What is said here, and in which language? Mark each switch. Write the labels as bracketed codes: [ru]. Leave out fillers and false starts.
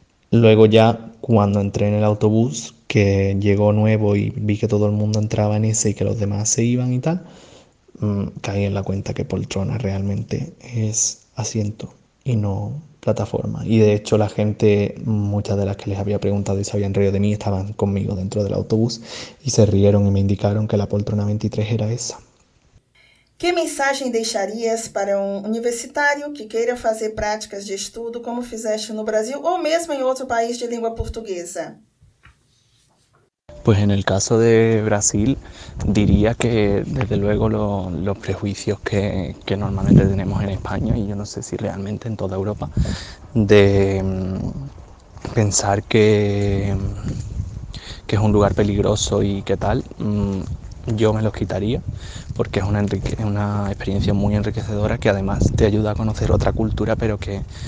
[es] Luego ya cuando entré en el autobús, que llegó nuevo y vi que todo el mundo entraba en ese y que los demás se iban y tal, caí en la cuenta que poltrona realmente es asiento y no plataforma. Y de hecho la gente, muchas de las que les había preguntado y se habían reído de mí, estaban conmigo dentro del autobús y se rieron y me indicaron que la poltrona 23 era esa. [pt] Que mensagem deixarias para um universitário que queira fazer práticas de estudo como fizeste no Brasil ou mesmo em outro país de língua portuguesa? [es] Pues en el caso de Brasil, diría que desde luego los prejuicios que normalmente tenemos en España, y yo no sé si realmente en toda Europa, de pensar que es un lugar peligroso y qué tal, yo me los quitaría, porque es una experiencia muy enriquecedora que además te ayuda a conocer otra cultura, pero que.